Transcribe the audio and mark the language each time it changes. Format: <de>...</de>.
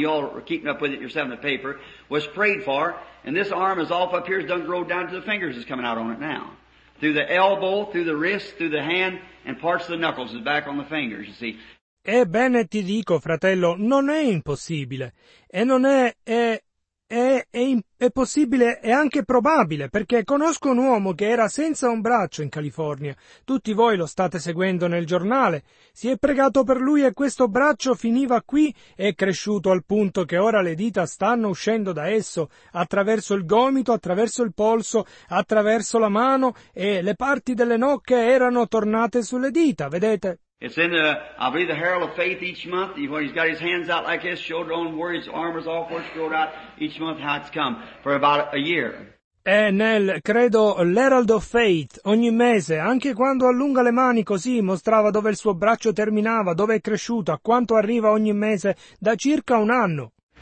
<en>You all are keeping up with it yourself in the paper, was prayed for, and this arm is off up here, it's done grow down to the fingers, it's coming out on it now. Through the elbow, through the wrist, through the hand, and parts of the knuckles is back on the fingers, you see.</en> <it>Ebbene ti dico, fratello, non è impossibile, e non è... È possibile e anche probabile, perché conosco un uomo che era senza un braccio in California. Tutti voi lo state seguendo nel giornale. Si è pregato per lui e questo braccio finiva qui e è cresciuto al punto che ora le dita stanno uscendo da esso, attraverso il gomito, attraverso il polso, attraverso la mano, e le parti delle nocche erano tornate sulle dita, vedete?</it> <en>It's in the, I believe, the Herald of Faith each month, when he's got his hands out like his shoulder on, where his arm is off, where it's grown out each month, how it's come, for about a year.</en> <it>E nel, credo, l'Herald of Faith, ogni mese, anche quando allunga le mani così, mostrava dove il suo braccio terminava, dove è cresciuto, a quanto arriva ogni mese, da circa un anno.</it>